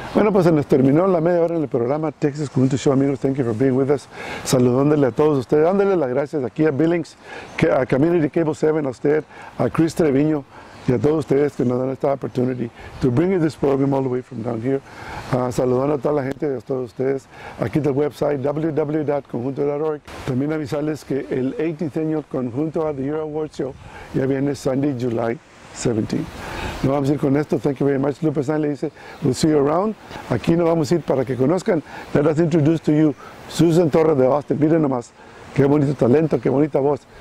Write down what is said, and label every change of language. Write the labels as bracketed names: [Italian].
[Spanish] Pues se nos terminó la media hora en el programa Texas Conjunto Show, amigos. [English] Thank you for being with us. [Spanish] Saludándole a todos ustedes, dándole las gracias aquí a Billings, a Community Cable 7, a usted, a Chris Treviño y a todos ustedes que nos dan esta [English] opportunity to bring you this program all the way from down here. [Spanish] Saludando a toda la gente, a todos ustedes, aquí del website www.conjunto.org. También avisarles que el 18th Annual Conjunto of the Year Awards Show ya viene Sunday, July 17. Nos vamos a ir con esto. [English] Thank you very much. Lupe Saenz [Spanish] le dice, [English] we'll see you around. [Spanish] Aquí nos vamos a ir para que conozcan. [English] Let us introduce to you [Spanish] Susan Torres de Austin. Miren nomás, qué bonito talento, qué bonita voz.